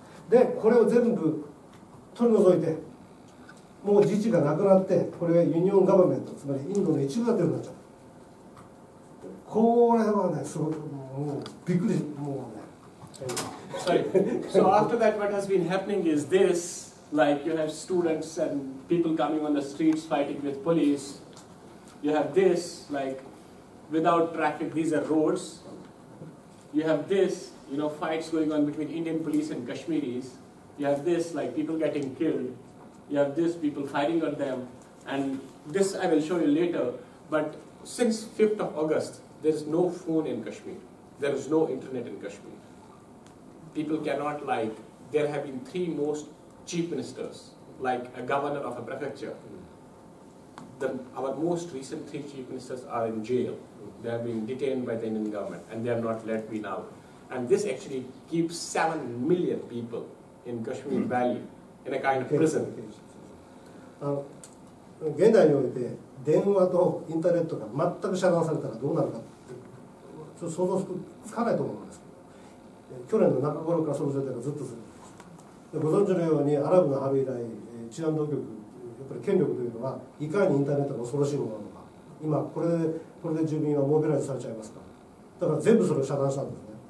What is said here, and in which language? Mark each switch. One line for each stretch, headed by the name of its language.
Japanese: で、これを全部取り除いて、もう自治がなくなって、これがユニオンガバメント、つまりインドの一部が出るようになっちゃう。これはね、すごくもうびっくり、もうね。
English: Sorry. So after that, what has been happening is this, like you have students and people coming on the streets fighting with police. You have this, like without traffic, these are roads. You have this, you know, fights going on between Indian police and Kashmiris. You have this, like people getting killed. You have this, people firing at them. And this I will show you later. But since 5th of August, there's no phone in Kashmir. There is no internet in Kashmir. People cannot, like, there have been three most chief ministers, like a governor of a prefecture. Our most recent three chief ministers are in jail. They have been detained by the Indian government and they are not let be now. And this actually keeps 7 million people in Kashmir Valley in a kind of prison.
Japanese: 現代において電話とインターネットが全く遮断されたらどうなるかってちょっと想像つかないと思うんですけど、去年の中頃からその状態がずっと続いてます。ご存知のようにアラブの春以来治安当局、やっぱり権力というのはいかにインターネットが恐ろしいものなのか、今これで住民はモビライズされちゃいますか、だから全部それを遮断したんですね。